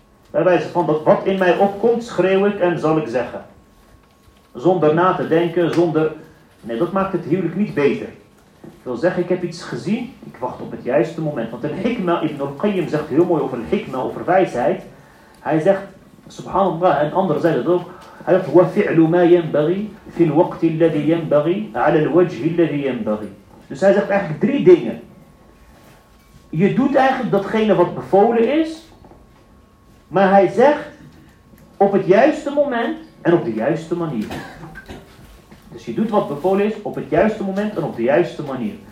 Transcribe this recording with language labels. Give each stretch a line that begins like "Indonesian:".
Dutch: Bij wijze van dat wat in mij opkomt, schreeuw ik en zal ik zeggen. Zonder na te denken, zonder... Nee, dat maakt het huwelijk niet beter. Ik wil zeggen, ik heb iets gezien, ik wacht op het juiste moment. Want een hikma, Ibn al-Qayyim zegt heel mooi over een hikma, over wijsheid. Hij zegt, subhanallah, en anderen zeiden dat ook...
Arabic: Hij zegt, وَفِعْلُ مَا يَنْبَغِي فِي الْوَقْتِ الَّذِي يَنْبَغِي عَلَى الْوَجْهِ الَّذِي يَنْبَغِي.
Dutch: Dus hij zegt eigenlijk drie dingen. Je doet eigenlijk datgene wat bevolen is. Maar hij zegt, op het juiste moment en op de juiste manier. Dus je doet wat bevolen is, op het juiste moment en op de juiste manier.